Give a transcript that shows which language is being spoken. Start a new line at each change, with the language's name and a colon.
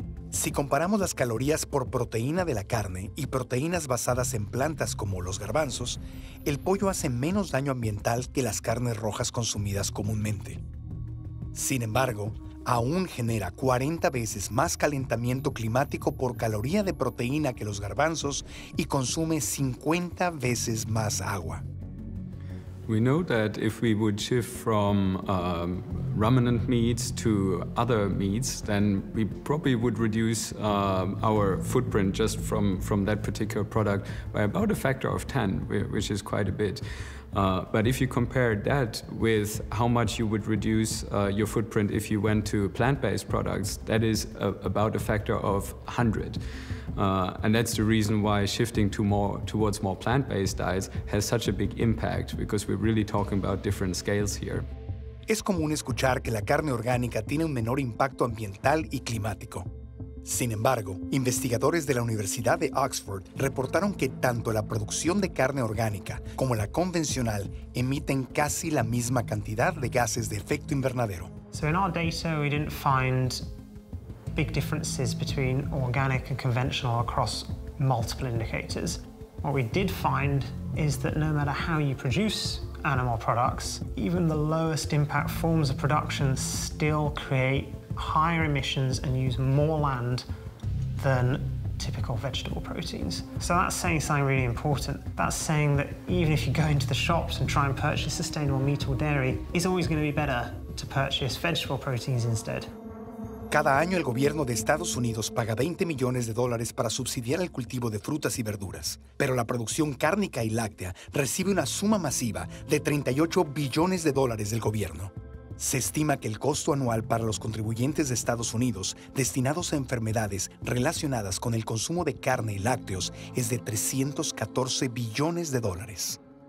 Spanish: Si comparamos las calorías por proteína de la carne y proteínas basadas en plantas como los garbanzos, el pollo hace menos daño ambiental que las carnes rojas consumidas comúnmente. Sin embargo, aún genera 40 veces más calentamiento climático por caloría de proteína que los garbanzos y consume 50 veces más agua.
English: We know that if we would shift from ruminant meats to other meats, then we probably would reduce our footprint just from that particular product by about a factor of 10, which is quite a bit. But if you compare that with how much you would reduce your footprint if you went to plant-based products, that is about a factor of 100. And that's the reason why shifting towards more plant-based diets has such a big impact, because we're really talking about different scales here.
Spanish: Es común escuchar que la carne orgánica tiene un menor impacto ambiental y climático. Sin embargo, investigadores de la Universidad de Oxford reportaron que tanto la producción de carne orgánica como la convencional emiten casi la misma cantidad de gases de efecto invernadero.
English: So in our data, we didn't find big differences between organic and conventional across multiple indicators. What we did find is that no matter how you produce animal products, even the lowest impact forms of production still create higher emissions and use more land than typical vegetable proteins. So that's saying something really important. That's saying that even if you go into the shops and try and purchase sustainable meat or dairy, it's always going to be better to purchase vegetable proteins instead.
Spanish: Cada año el gobierno de Estados Unidos paga 20 millones de dólares para subsidiar el cultivo de frutas y verduras. Pero la producción cárnica y láctea recibe una suma masiva de 38 billones de dólares del gobierno. Se estima que el costo anual para los contribuyentes de Estados Unidos destinados a enfermedades relacionadas con el consumo de carne y lácteos es de 314 billones de dólares.